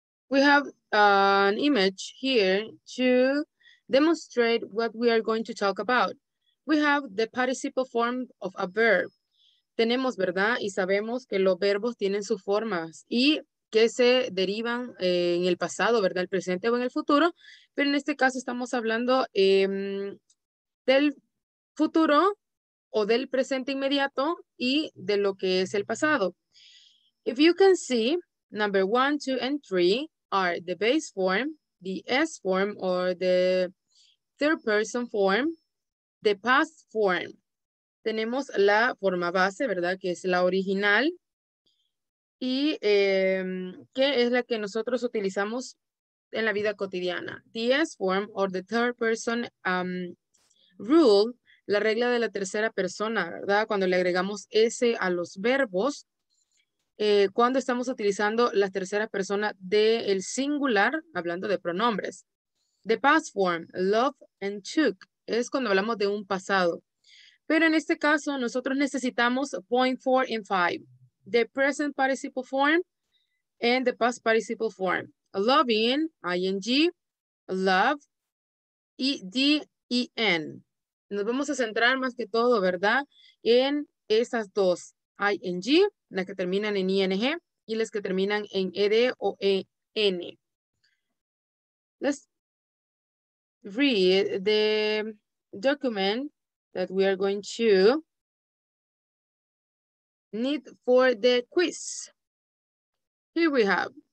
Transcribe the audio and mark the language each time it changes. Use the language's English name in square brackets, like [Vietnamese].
[English] We have an image here to demonstrate what we are going to talk about. We have the participle form of a verb. [Spanish] Tenemos, ¿verdad? Y sabemos que los verbos tienen sus formas y que se derivan en el pasado, ¿verdad? El presente o en el futuro. Pero en este caso estamos hablando del futuro o del presente inmediato y de lo que es el pasado. [English] If you can see, number one, two, and three are the base form, the S form, or the third person form. The past form, [Spanish] tenemos la forma base, ¿verdad? Que es la original y que es la que nosotros utilizamos en la vida cotidiana. [English] The S form or the third person rule, [Spanish] la regla de la tercera persona, ¿verdad? Cuando le agregamos S a los verbos, cuando estamos utilizando la tercera persona del singular, hablando de pronombres. [English] The past form, love and took. [Spanish] Es cuando hablamos de un pasado. Pero en este caso, nosotros necesitamos [English] point four and five. The present participle form and the past participle form. Loving, ing, love, E-D-E-N. [Spanish] Nos vamos a centrar más que todo, ¿verdad? En esas dos. Ing, las que terminan en ing, y las que terminan en ed o en. [English] Let's read the document that we are going to need for the quiz. Here we have.